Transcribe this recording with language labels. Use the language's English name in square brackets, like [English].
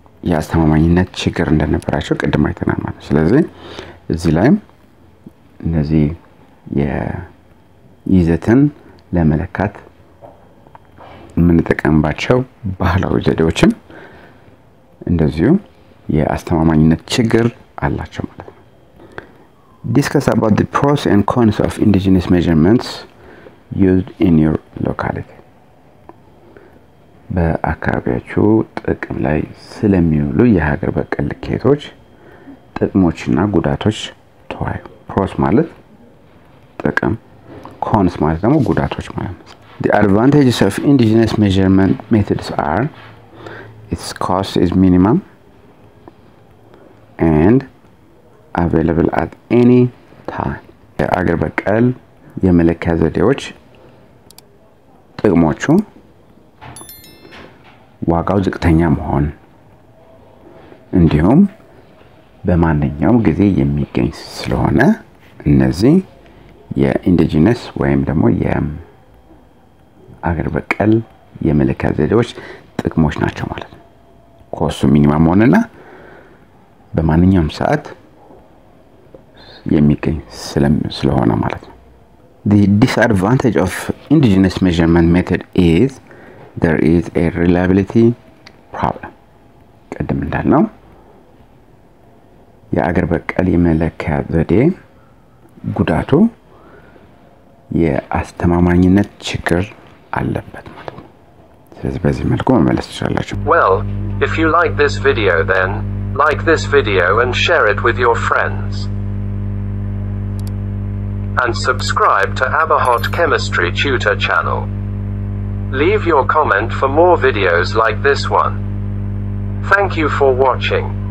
[Amharic] የአስተማማኝነት ችግር እንደነበራቸው ቀደም አይተናል ማለት ነው። ስለዚህ እዚህ ላይ እነዚህ የይዘትን ለመለካት የምንጠቀምባቸው ባህላዊ ዘዴዎችም እንደዚሁ የአስተማማኝነት ችግር አላቸው ማለት ነው። [English] Discuss about the pros and cons of indigenous measurements used in your locality. [Amharic] በአካባቢያችሁ ጥቅም ላይ ስለሚውሉ የሀገር በቀል ልኬቶች ጥቅሞችና ጉዳቶች ተወያዩ። Pros ማለት ጥቅም cons ማለት ደግሞ ጉዳቶች ማለት ነው። [English] The advantages of indigenous measurement methods are its cost is minimum and available at any time. [Amharic] የአገር በቀል የመለኪያ ዘዴዎች ጥቅሞቹ ዋጋው ዝቅተኛ መሆን እንዲሁም በማንኛውም ጊዜ የሚገኝ ስለሆነ እነዚህ የindigenous ወይም ደግሞ የአገር በቀል የመለኪያ ዘዴዎች ጥቅሞች ናቸው ማለት ነው። ኮስቱ ሚኒማም ሆነና በማንኛውም ሰዓት የሚገኝ ስለሆነ ማለት ነው። [English] The disadvantage of indigenous measurement method is there is a reliability problem. [Amharic] ቀደም እንዳልነው የአገር በቀል የመለኪያ ዘዴ ጉዳቱ የአስተማማኝነት ችግር አለበት ማለት ነው። ስለዚህ በዚህ መልኩ መመለስ ይችላል። [English] Well, if you like this video then like this video and share it with your friends. and subscribe to Amharic Chemistry Tutor Channel. Leave your comment for more videos like this one. Thank you for watching.